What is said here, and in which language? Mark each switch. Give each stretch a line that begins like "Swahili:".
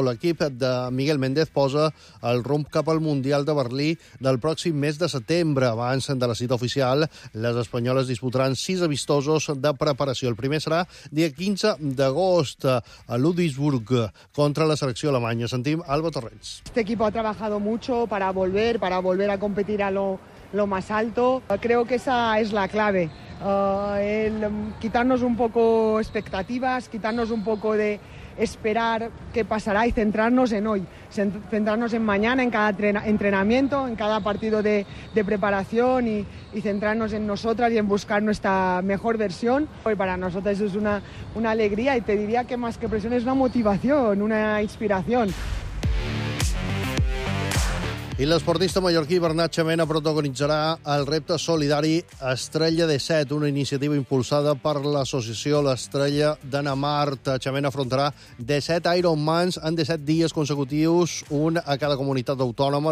Catalan: L'equip de Miguel Méndez posa el rumb cap al Mundial de Berlín del pròxim mes de setembre. Abans de la cita oficial, les espanyoles disputaran 6 amistosos de preparació. El primer serà dia 15 d'agost a Ludwigsburg contra la selecció alemanya. Sentim Alba Torrens.
Spanish: Este equipo ha trabajado mucho para volver a competir a lo más alto. Creo que esa es la clave. Quitarnos un poco expectativas, quitarnos un poco de esperar qué pasará y centrarnos en hoy, centrarnos en mañana, en cada entrenamiento, en cada partido de preparación y centrarnos en nosotras y en buscar nuestra mejor versión. Hoy para nosotras eso es una alegría y te diría que más que presión es una motivación, una inspiración.
Catalan: I l'esportista mallorquí Bernat Xamena protagonitzarà el repte solidari Estrella de Set, una iniciativa impulsada per l'associació L'Estrella d'Anamart. Xamena afrontarà de 7 Ironmans en 17 dies consecutius, un a cada comunitat autònoma.